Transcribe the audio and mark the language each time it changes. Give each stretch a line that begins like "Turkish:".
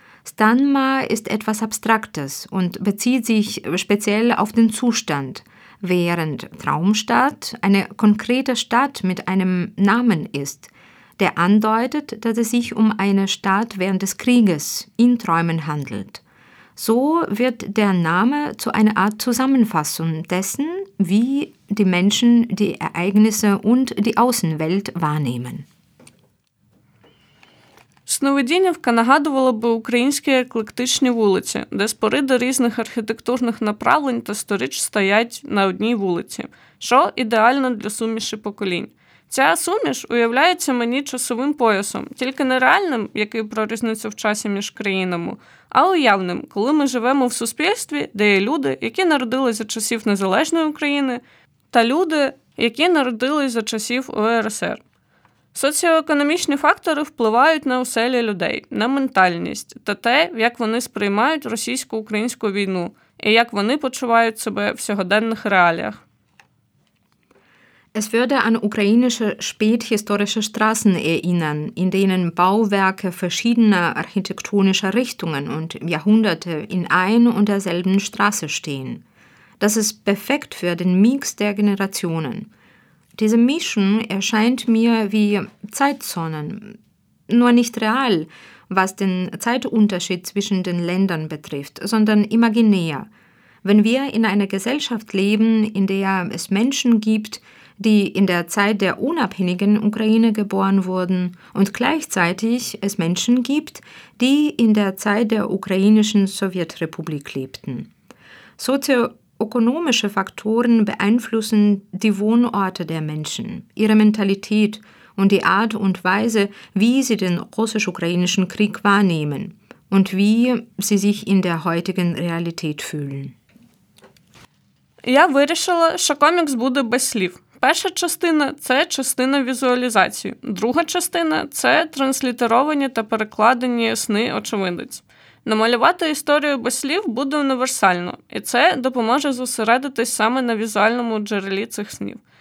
German: Станмар ist etwas Abstraktes und bezieht sich speziell auf den Zustand, während Traumstadt eine konkrete Stadt mit einem Namen ist, der andeutet, dass es sich um eine Stadt während des Krieges in Träumen handelt. So wird der Name zu einer Art Zusammenfassung dessen, wie die Menschen die Ereignisse und die Außenwelt wahrnehmen.
Ukrainian: Сновидинівка нагадувала би українські еклектичні вулиці, де споруди різних архітектурних направлень та сторіч стоять на одній вулиці, що ідеально для суміші поколінь. Ця суміш уявляється мені часовим поясом, тільки не реальним, який про різницю в часі між країнами, а уявним, коли ми живемо в суспільстві, де є люди, які народились за часів Незалежної України, та люди, які народились за часів УРСР. Соціоекономічні фактори впливають на оселі людей, на ментальність та те, як вони сприймають російсько-українську війну і як вони почувають себе в сьогоденних реаліях.
German: Es würde an ukrainische späthistorische Straßen erinnern, in denen Bauwerke verschiedener architektonischer Richtungen und Jahrhunderte in ein und derselben Straße stehen. Das ist perfekt für den Mix der Generationen. Diese Mischung erscheint mir wie Zeitzonen, nur nicht real, was den Zeitunterschied zwischen den Ländern betrifft, sondern imaginär. Wenn wir in einer Gesellschaft leben, in der es Menschen gibt, die in der Zeit der unabhängigen Ukraine geboren wurden und gleichzeitig es Menschen gibt, die in der Zeit der ukrainischen Sowjetrepublik lebten. Sozioökonomische Faktoren beeinflussen die Wohnorte der Menschen, ihre Mentalität und die Art und Weise, wie sie den russisch-ukrainischen Krieg wahrnehmen und wie sie sich in der heutigen Realität fühlen.
Ukrainian: Я вирішила, що комікс буде без слів. Перша частина – це частина візуалізації. Друга частина – це транслітеровані та перекладені сни очевидець. Намалювати історію без слів буде універсально, і це допоможе зосередитись саме на візуальному джерелі цих снів.